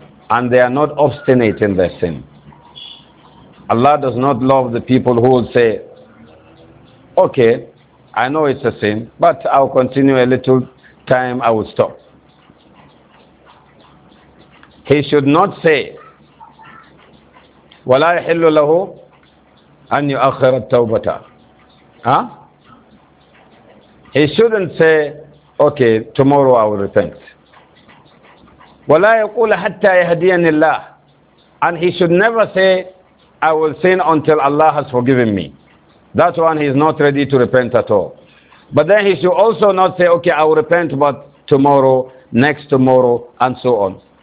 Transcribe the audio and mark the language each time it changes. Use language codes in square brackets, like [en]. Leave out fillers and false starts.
[en] And they are not obstinate in their sin. Allah does not love the people who will say, okay, I know it's a sin, but I'll continue a little time, I will stop. He should not say, [ar] وَلَا يَحِلُّ لَهُ أَنْ يُؤَخِّرَ التَّوْبَةَ. [en] He shouldn't say, okay, tomorrow I will repent. [ar] وَلَا يَقُولَ حَتَّى يَهْدِيَنِ اللَّهِ. [en] And he should never say, I will sin until Allah has forgiven me. That one, he is not ready to repent at all. But then he should also not say, okay, I will repent, but tomorrow, next tomorrow, and so on.